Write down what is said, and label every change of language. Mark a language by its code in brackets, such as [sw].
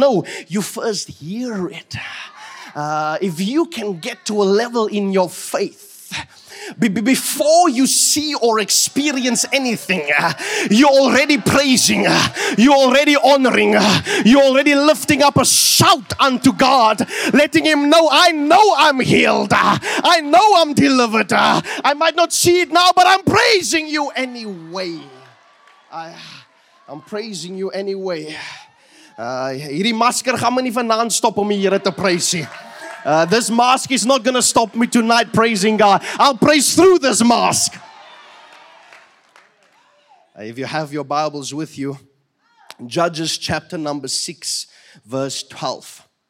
[en] No, you first hear it. If you can get to a level in your faith, before you see or experience anything, you're already praising, you're already honoring, you're already lifting up a shout unto God, letting Him know, I know I'm healed, I know I'm delivered, I might not see it now, but I'm praising You anyway. I'm praising You anyway. [af] Hierdie masker gaan my nie vanaand stop om die Here te prys nie. [en] This mask is not going to stop me tonight praising God. I'll praise through this mask. If you have your Bibles with you, Judges chapter number 6, verse 12.